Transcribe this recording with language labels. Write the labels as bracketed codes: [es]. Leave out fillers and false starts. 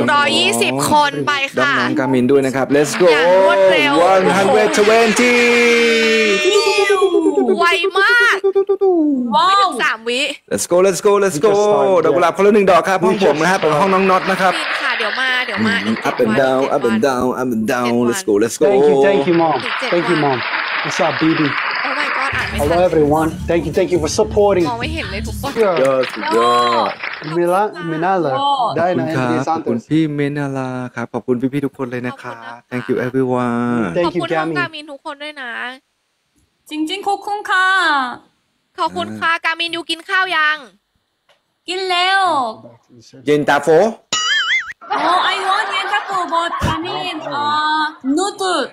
[th] 120คนไปค่ะ น้องกามินด้วยนะครับ [en] Let's go [th] 120 ไวมาก ว้าว 3วิ [en] Let's go Let's go Let's go [th] ดอกกุหลาบคนละ1ดอกครับห้องผมนะครับห้องน้องน็อตนะครับ ค่ะเดี๋ยวมา [en] Up and down Up and down Up and down Let's go Let's go Thank you mom What's up BBHello everyone. Thank you for supporting. Yes, yes. Mila, Minala, Dina, Santos. [th] พี่ Minala ครับขอบคุณพี่ๆทุกคนเลยนะคะ [en] Thank you everyone. [th] ขอบคุณทุกการ์มินทุกคนด้วยนะ จริงๆขอบคุณค่ะ ขอบคุณค่ะการ์มินอยู่กินข้าวยัง กินแล้ว เย็นตาโฟ [en] Oh, I want yen tapo, but I mean, noodle.